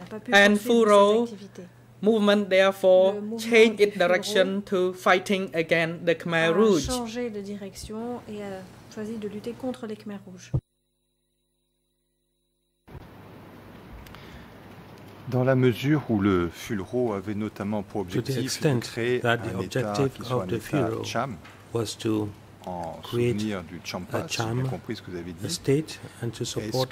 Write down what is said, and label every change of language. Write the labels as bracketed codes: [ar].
[en] And Phuro movement therefore changed its direction to fighting against the Khmer Rouge. [fr] A changé de direction et a choisi de lutter contre les Khmer Rouges. Dans la mesure où le Fulro avait notamment pour objectif de créer un état qui soit un état Cham, [en] was to create a Cham, a state, and to support